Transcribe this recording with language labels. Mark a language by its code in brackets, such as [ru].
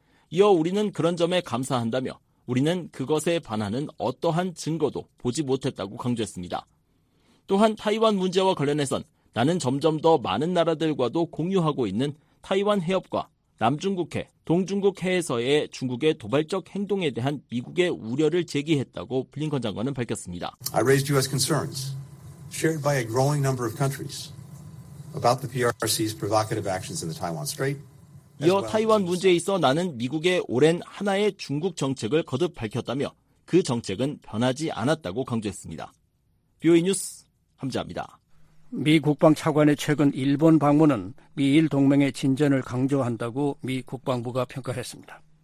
[ko] 이어 우리는 그런 점에 감사한다며 우리는 그것에 반하는 어떠한 증거도 보지 못했다고 강조했습니다. 또한 타이완 문제와 관련해선 나는 점점 더 많은 나라들과도 공유하고 있는 타이완 해협과 남중국해, 동중국해에서의 중국의 도발적 행동에 대한 미국의 우려를 제기했다고 블링컨 장관은 밝혔습니다. [en] I raised U.S. concerns shared by a growing number of countries about the PRC's provocative actions in the Taiwan Strait. [ko] 이어 타이완 문제에 있어 나는 미국의 오랜 하나의 중국 정책을 거듭 밝혔다며 그 정책은 변하지 않았다고 강조했습니다. BOA 뉴스 함재합니다. 미 국방차관의 최근 일본 방문은 미일 동맹의 진전을 강조한다고 미 국방부가 평가했습니다.